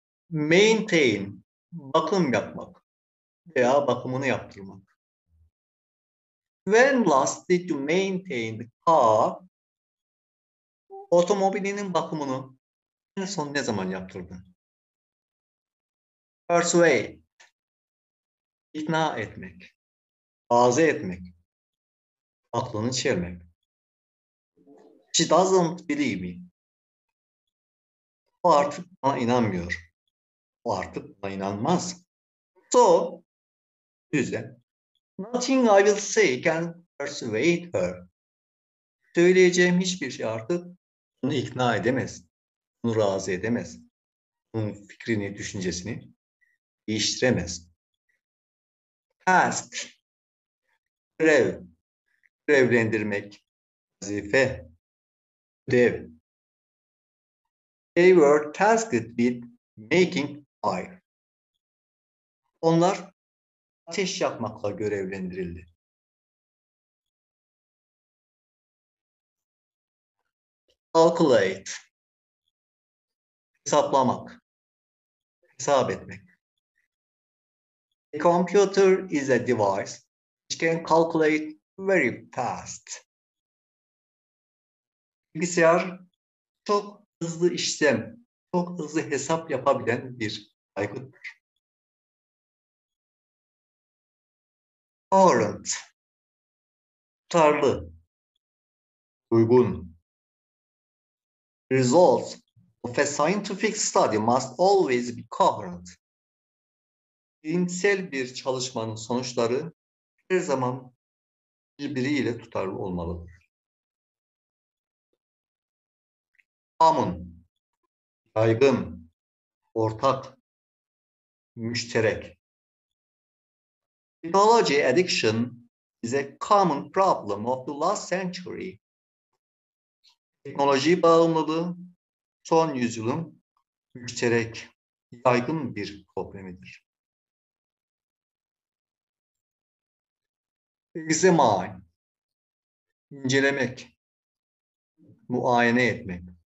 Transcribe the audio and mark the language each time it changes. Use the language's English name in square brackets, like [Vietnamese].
[Turkish] Maintain, bakım yapmak veya bakımını yaptırmak. [English] When last did you maintain the car? [Turkish] Otomobilinin bakımını en son ne zaman yaptırdın? Persuade, ikna etmek, razı etmek, aklını çevirmek. [English] She doesn't believe me. [Turkish] O artık bana inanmıyor. O artık bana inanmaz. [English] So, [Turkish] yüzden [English] nothing I will say can persuade her. [Turkish] Söyleyeceğim hiçbir şey artık onu ikna edemez. Onu razı edemez. Onun fikrini, düşüncesini değiştiremez. Task. Görev. Görevlendirmek. Vazife. Ödev. [English] They were tasked with making fire. [Turkish] Onlar ateş yakmakla görevlendirildi. Calculate. Hesaplamak. Hesap etmek. [English] A computer is a device which can calculate very fast. [Turkish] Bilgisayar çok hızlı işlem, çok hızlı hesap yapabilen bir aygıttır. Tolerant, tutarlı, uygun. [English] Results of a scientific study must always be coherent. [Turkish] Bilimsel bir çalışmanın sonuçları her zaman birbiriyle tutarlı olmalıdır. Common, yaygın, ortak, müşterek. [English] Technology addiction is a common problem of the last century. [Turkish] Teknoloji bağımlılığı son yüzyılın müşterek, yaygın bir problemidir. Examine, incelemek, muayene etmek.